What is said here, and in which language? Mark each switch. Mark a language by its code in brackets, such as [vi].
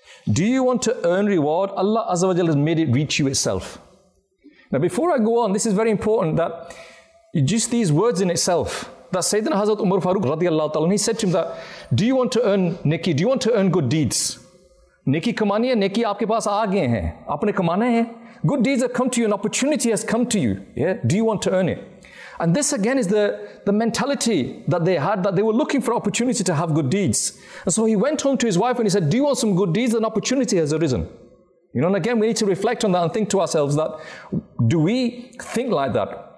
[en] Do you want to earn reward? Allah Azza wa Jalla has made it reach you itself." Now before I go on, this is very important, that just these words in itself, that Sayyidina Hazrat Umar Farooq radiallahu ta'ala, he said to him that, "Do you want to earn neki? Do you want to earn good deeds? [ur] نیکی کمانی ہے، نیکی آپ کے پاس آ گئے ہیں، آپ نے کمانے ہیں۔ [en] Good deeds have come to you, an opportunity has come to you. Yeah? Do you want to earn it?" And this again is the mentality that they had, that they were looking for opportunity to have good deeds. And so he went home to his wife and he said, "Do you want some good deeds? An opportunity has arisen." You know, and again, we need to reflect on that and think to ourselves that, do we think like that?